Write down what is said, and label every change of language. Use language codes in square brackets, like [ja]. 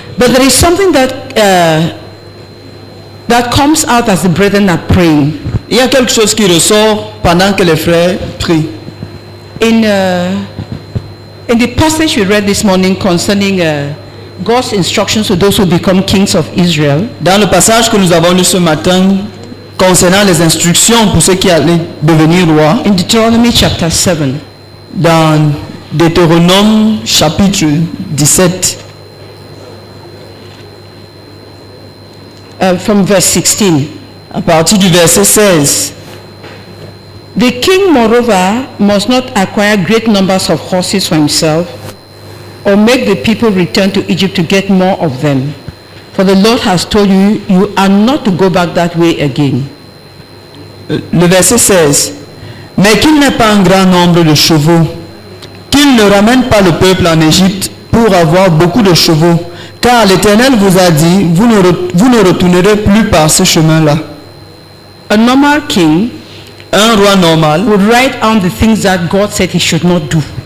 [en] But there is something that comes out as the brethren are praying. [fr] Il y a quelque chose qui ressort pendant que les frères prient. [en] In the passage we read this morning concerning God's instructions to those who become kings of Israel. [fr] Dans le passage que nous avons lu ce matin concernant les instructions pour ceux qui allaient devenir rois. [en] In Deuteronomy chapter 7. [fr] Dans Deutéronome chapitre 17. [en] From verse 16. [fr] À partir du verset 16. [en] The king, moreover, must not acquire great numbers of horses for himself, or make the people return to Egypt to get more of them. For the Lord has told you, you are not to go back that way again. [fr] Le verset 16. Mais qu'il n'ait pas un grand nombre de chevaux, qu'il ne ramène pas le peuple en Égypte pour avoir beaucoup de chevaux, car l'Éternel vous a dit, vous ne retournerez plus par ce chemin-là. [en] A normal king, [fr] un roi normal, [en] would write down the things that God said he should not do.